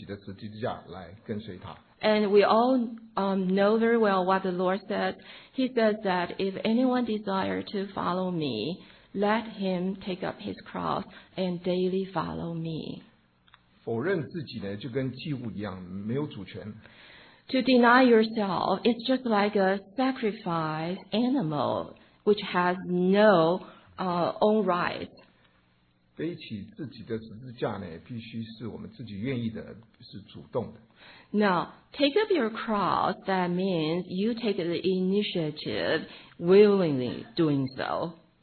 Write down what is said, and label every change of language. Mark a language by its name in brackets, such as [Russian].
[Chinese] 我们熟悉就是主说若有人要跟从他必须否认自己天天背起自己的十字架来跟随他。 [English] And we all know very well what the Lord said. He said that if anyone desire to follow me, let him take up his cross and daily follow me. [Chinese] 否认自己呢就跟祭物一样没有主权。 [English] To deny yourself, it's just like a sacrifice animal which has no own rights. [Chinese] 背起自己的十字架呢,必须是我们自己愿意的,是主动的。 [English] Now, take up your cross, that means you take the initiative willingly doing so.